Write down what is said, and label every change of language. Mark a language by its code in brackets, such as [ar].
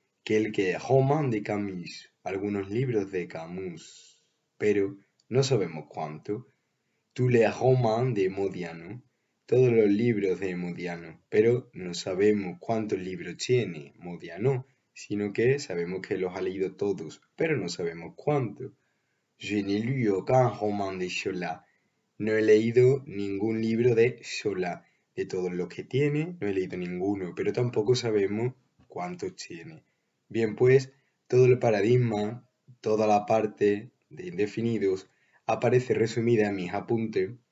[es] Que el que roman de Camus, algunos libros de Camus, pero no sabemos cuánto. [fr] Tous les romans de Modiano, [es] todos los libros de Modiano, pero no sabemos cuántos libros tiene Modiano, sino que sabemos que los ha leído todos, pero no sabemos cuánto. [fr] Je n'ai lu aucun roman de Zola. [es] No he leído ningún libro de Zola. De todos los que tiene, no he leído ninguno, pero tampoco sabemos cuántos tiene. Bien, pues, todo el paradigma, toda la parte de indefinidos, aparece resumida en mis apuntes.